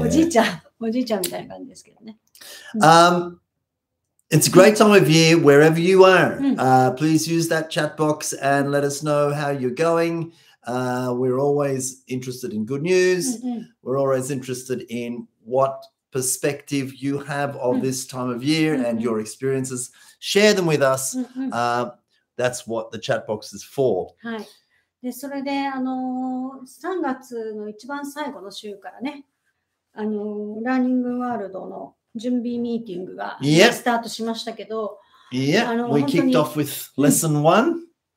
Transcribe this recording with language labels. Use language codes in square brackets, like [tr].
[ja] おじいちゃんみたいな感じですけどね。 [en] It's a great time of year wherever you are. Please use that chat box and let us know how you're going. We're always interested in good news. We're always interested in what perspective you have of this time of year and your experiences. Share them with us. That's what the chat box is for. [ja] で、それで、3月の一番最後の週からね、ラーニングワールドの準備ミーティングがスタートしましたけど、 [en] We kicked off with lesson one.